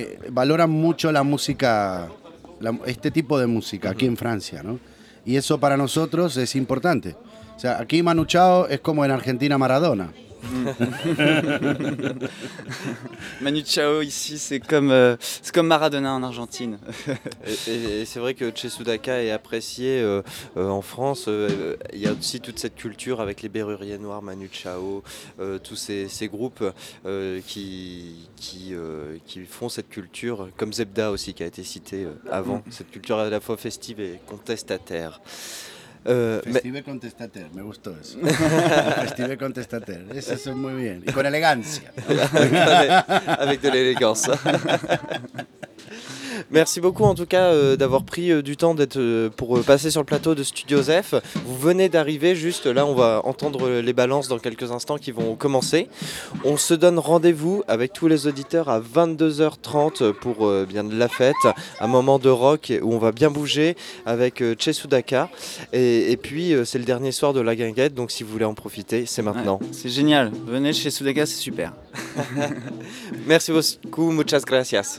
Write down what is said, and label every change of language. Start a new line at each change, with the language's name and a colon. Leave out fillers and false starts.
Spanish: Valoran mucho la música, este tipo de música aquí en Francia, ¿no? Y eso para nosotros es importante. O sea, aquí Manu Chao es como en Argentina Maradona.
French: Manu Chao ici, c'est comme Maradona en Argentine. et c'est vrai que Chesudaka est apprécié en France. Il y a aussi toute cette culture avec les Berruriers Noirs, Manu Chao, tous ces groupes qui font cette culture, comme Zebda aussi qui a été cité avant. Cette culture à la fois festive et contestataire. Festive contestataire,
Spanish: me gustó eso.
French: Festive contestataire,
Spanish: eso es muy bien. Y con elegancia.
French: Avec de l'élégance. Merci beaucoup en tout cas d'avoir pris du temps pour passer sur le plateau de Studio ZEF. Vous venez d'arriver juste là, on va entendre les balances dans quelques instants qui vont commencer. On se donne rendez-vous avec tous les auditeurs à 22h30 pour bien de la fête, un moment de rock où on va bien bouger avec Chesudaka. Et puis c'est le dernier soir de la guinguette, donc si vous voulez en profiter, c'est maintenant. Ouais, c'est génial, venez chez Chesudaka, c'est super. Merci beaucoup,
Spanish: muchas gracias.